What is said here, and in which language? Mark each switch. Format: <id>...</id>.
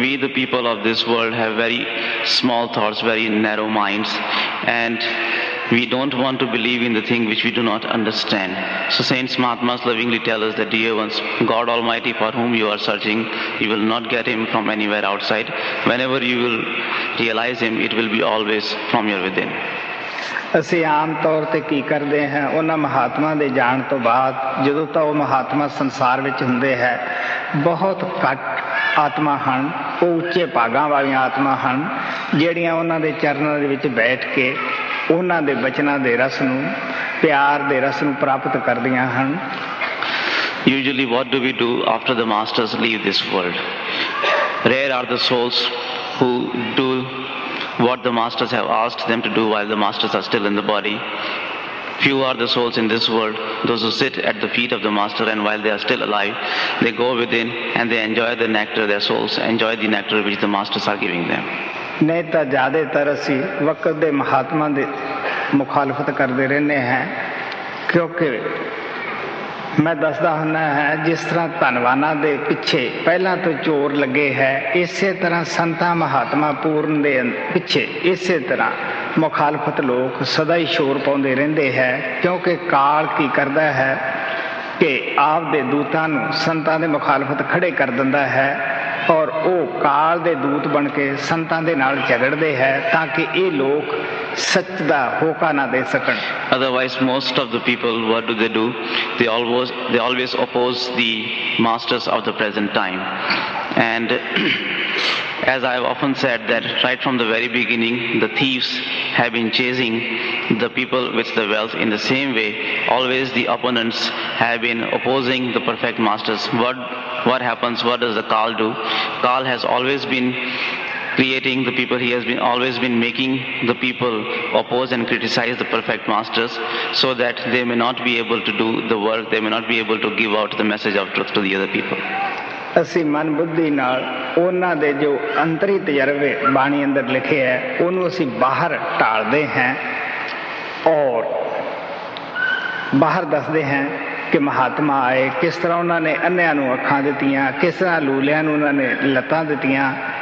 <en>We the people of this world have very small thoughts, very narrow minds, and we don't want to believe in the thing which we do not understand. So saints, Mahatmas lovingly tell us that, dear ones, God Almighty for whom you are searching, you will not get him from anywhere outside. Whenever you will realize him, it will be always from your within.</en> <pa>ਅਸੀਂ ਆਮ ਤੌਰ 'ਤੇ ਕੀ ਕਰਦੇ ਹਾਂ ਉਹਨਾਂ ਮਹਾਤਮਾ ਦੇ ਜਾਣ ਤੋਂ ਬਾਅਦ ਜਦੋਂ ਤਾਂ ਉਹ ਮਹਾਤਮਾ ਸੰਸਾਰ ਵਿੱਚ ਹੁੰਦੇ ਹੈ ਬਹੁਤ ਘੱਟ ਆਤਮਾ ਹਨ ਉਹ ਉੱਚੇ ਭਾਗਾਂ ਵਾਲੀਆਂ ਆਤਮਾ ਹਨ ਜਿਹੜੀਆਂ ਉਹਨਾਂ ਦੇ ਚਰਨਾਂ ਦੇ ਵਿੱਚ ਬੈਠ ਕੇ ਉਹਨਾਂ ਦੇ ਬਚਨਾਂ ਦੇ ਰਸ ਨੂੰ ਪਿਆਰ ਦੇ ਰਸ ਨੂੰ ਪ੍ਰਾਪਤ ਕਰਦੀਆਂ ਹਨ.</pa> <en>Usually what do we do after the masters leave this world rare are the souls who do what the masters have asked them to do while the masters are still in the body. Few are the souls in this world, those who sit at the feet of the master, and while they are still alive, they go within and they enjoy the nectar, their souls enjoy the nectar which the masters are giving them.</en> <pa>ਨਹੀਂ ਤਾਂ ਜ਼ਿਆਦਾਤਰ ਅਸੀਂ ਵਕਤ ਦੇ ਮਹਾਤਮਾ ਦੇ ਮੁਖਾਲਫਤ ਕਰਦੇ ਰਹਿੰਦੇ ਹਾਂ ਕਿਉਂਕਿ ਮੈਂ ਦੱਸਦਾ ਹੁੰਦਾ ਹੈ ਜਿਸ ਤਰ੍ਹਾਂ ਧਨਵਾਨਾਂ ਦੇ ਪਿੱਛੇ ਪਹਿਲਾਂ ਤੋਂ ਚੋਰ ਲੱਗੇ ਹੈ ਇਸੇ ਤਰ੍ਹਾਂ ਸੰਤਾਂ ਮਹਾਤਮਾ ਪੂਰਨ ਦੇ ਪਿੱਛੇ ਇਸੇ ਤਰ੍ਹਾਂ ਮੁਖਾਲਫਤ ਲੋਕ ਸਦਾ ਹੀ ਸ਼ੋਰ ਪਾਉਂਦੇ ਰਹਿੰਦੇ ਹੈ ਕਿਉਂਕਿ ਕਾਲ ਕੀ ਕਰਦਾ ਹੈ ਕਿ ਆਪਦੇ ਦੂਤਾਂ ਨੂੰ ਸੰਤਾਂ ਦੇ ਮੁਖਾਲਫਤ ਖੜ੍ਹੇ ਕਰ ਦਿੰਦਾ ਹੈ ਔਰ ਉਹ ਕਾਲ ਦੇ ਦੂਤ ਬਣ ਕੇ ਸੰਤਾਂ ਦੇ ਨਾਲ ਝਗੜਦੇ ਹੈ ਤਾਂ ਕਿ ਇਹ ਲੋਕ ਸੱਚ ਦਾ ਹੋਕਾ ਨਾ ਦੇ ਸਕਣ.</pa> <en>Otherwise, most of the people, what do they do? They always oppose the masters of the present time. And as I have often said, that right from the very beginning, the thieves have been chasing the people with the wealth. In the same way, always the opponents have been opposing the perfect masters. What happens? What does the Kal do? Kal has always been creating the people. He has been always been making the people oppose and criticize the perfect masters so that they may not be able to do the work, they may not be able to give out the message of truth to the other people.</en> <pa>ਅਸੀਂ ਮਨ ਬੁੱਧੀ ਨਾਲ ਉਹਨਾਂ ਦੇ ਜੋ ਅੰਤਰੀ ਤਜਰਬੇ ਬਾਣੀ ਅੰਦਰ ਲਿਖੇ ਹੈ ਉਹਨੂੰ ਅਸੀਂ ਬਾਹਰ ਟਾਲਦੇ ਹਾਂ ਔਰ ਬਾਹਰ ਦੱਸਦੇ ਹਾਂ ਕਿ ਮਹਾਤਮਾ ਆਏ ਕਿਸ ਤਰ੍ਹਾਂ ਉਹਨਾਂ ਨੇ ਅੰਨਿਆਂ ਨੂੰ ਅੱਖਾਂ ਦਿੱਤੀਆਂ ਕਿਸ ਤਰ੍ਹਾਂ ਲੂਲਿਆਂ ਨੂੰ ਉਹਨਾਂ ਨੇ ਲੱਤਾਂ ਦਿੱਤੀਆਂ</pa>